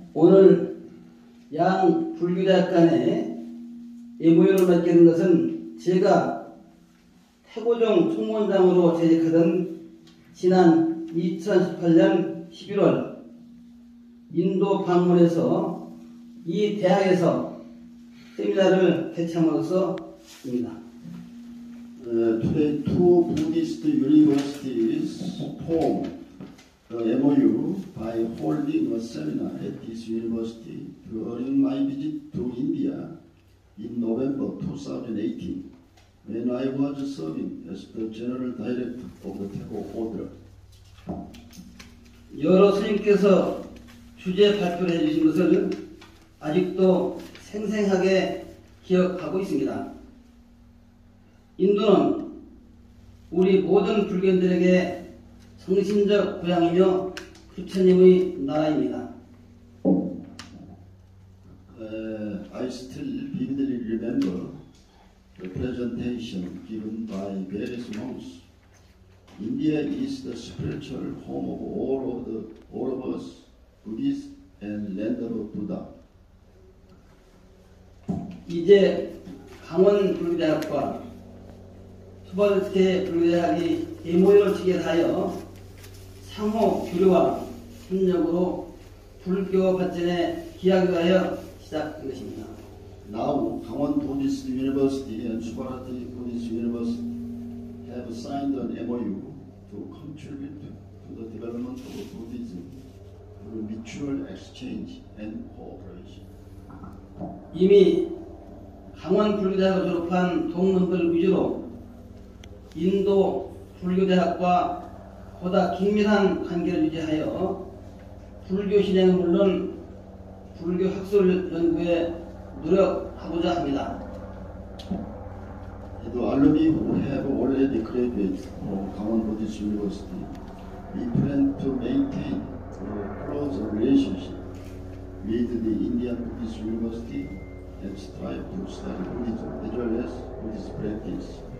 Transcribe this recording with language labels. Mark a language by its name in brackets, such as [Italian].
[Korean] 오늘 양 불교대학 간의 MOU를 맺게 것은 제가 태고종 총무원장으로 재직하던 지난 2018년 11월 인도 방문에서 이 대학에서 세미나를 개최함으로써입니다. [English] Today two Buddhist universities form the MOU by holding a seminar at this university during my visit to India in November 2018 when I was serving as the general director of the Tego Order. [Korean] 여러 스님께서 주제 발표를 해주신 것을 아직도 생생하게 기억하고 있습니다. 인도는 우리 모든 불교인들에게 성신적 고향이며 부처님의 나라입니다. [English] I still vividly remember the presentation given by various monks. India is the spiritual home of all of us, Buddhists and land of Buddha. [Korean] 이제 강원 불교대학과 스와르티 불교대학이 MOU를 체결하여 상호 교류와 협력으로 불교 발전에 기여하기 위하여 시작된 것입니다. [English] Now, 강원 Buddhist University and 스와르티 Buddhist University have signed an MOU to contribute to the development of Buddhism through mutual exchange and cooperation. [Korean] 이미 강원 불교대학을 졸업한 동문들 위주로 인도 불교대학과 보다 긴밀한 관계를 유지하여 불교 신행은 물론 불교 학술 연구에 노력하고자 합니다. [English] The alumni who have already graduated from 강원 Buddhist University, we plan to maintain a close relationship with the Indian Buddhist University and strive to study Buddhism as well as Buddhist practice.